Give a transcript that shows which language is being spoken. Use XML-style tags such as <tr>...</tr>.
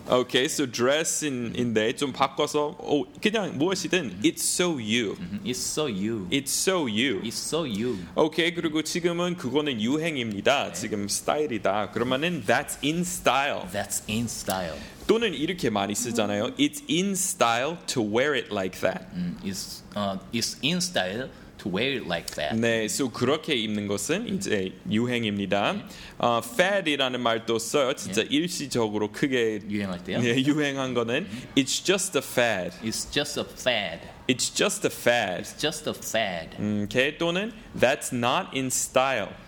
<ko>Okay, so dress in데 좀 바꿔서 그냥 무엇이든</ko> <en>it's so you. It's so you. It's so you. It's so you.</en> <ko>Okay, 그리고 지금은 그거는 유행입니다. 네. 지금 스타일이다. 그러면은</ko> <en>that's in style. That's in style.</en> <ko>또는 이렇게 많이 쓰잖아요.</ko> <en>It's in style to wear it like that. It's in style to wear it like that.</en> <ko>네, so 그렇게 입는 것은 이제 유행입니다. 네. Fad이라는 말도 써요. 진짜 네. 일시적으로 크게 유행할 때요. 네, 유행한 거는</ko> <en>it's just a fad. It's just a fad. It's just a fad. It's just a fad.</en> <ko>오케이, 또는</ko> <en>that's not in style.</en>